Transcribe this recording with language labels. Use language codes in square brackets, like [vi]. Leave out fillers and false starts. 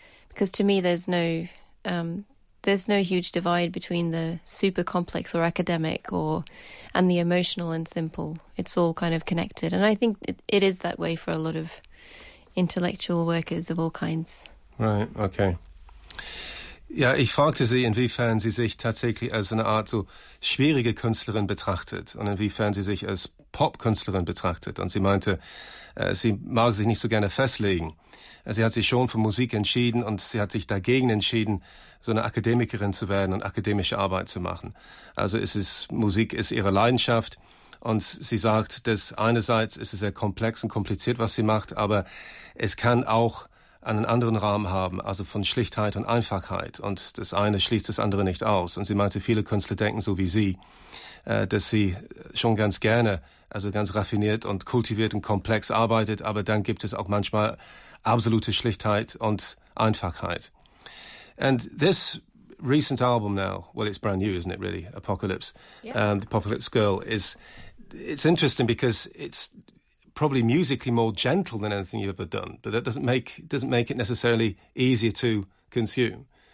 [en] Because to me, there's no huge divide between the super complex or academic and the emotional and simple. It's all kind of connected. And I think it is that way for a lot of intellectual workers of all kinds. Right, okay. [de] Ja, ich fragte Sie, inwiefern Sie sich tatsächlich als eine Art so schwierige Künstlerin betrachtet und inwiefern Sie sich als Pop-Künstlerin betrachtet. Und sie meinte, sie mag sich nicht so gerne festlegen. Sie hat sich schon für Musik entschieden und sie hat sich dagegen entschieden, so eine Akademikerin zu werden und akademische Arbeit zu machen. Also Musik ist ihre Leidenschaft. Und sie sagt, dass einerseits ist es sehr komplex und kompliziert, was sie macht, aber es kann auch einen anderen Rahmen haben, also von Schlichtheit und Einfachheit. Und das eine schließt das andere nicht aus. Und sie meinte, viele Künstler denken so wie sie, dass sie schon ganz gerne, also ganz raffiniert und kultiviert und komplex arbeitet, aber dann gibt es auch manchmal absolute Schlichtheit und Einfachheit. [en] And this recent album now, well, it's brand new, isn't it really, Apocalypse? Yeah. The Apocalypse Girl is, it's interesting because it's probably musically more gentle than anything you've ever done, but that doesn't make it necessarily easier to consume.